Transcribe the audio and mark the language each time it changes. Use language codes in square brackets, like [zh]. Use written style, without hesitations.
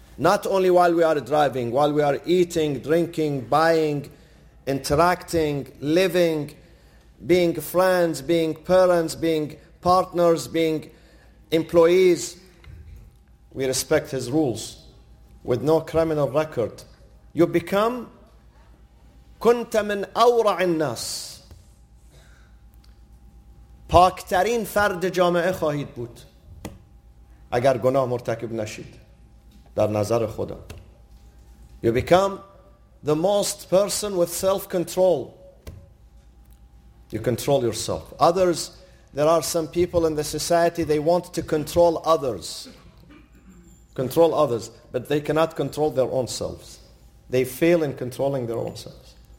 [en] Not only while we are driving, while we are eating, drinking, buying, interacting, living, being friends, being parents, being partners, being employees. We respect his rules with no criminal record. You become [ar] كنت من أورع الناس. [fa] پاکترین فرد جامعه خواهید بود اگر گناه مرتکب نشید در نظر خدا. [en] You become the most person with self-control. You control yourself. Others, there are some people in the society, they want to control others. Control others, but they cannot control their own selves. They fail in controlling their own selves.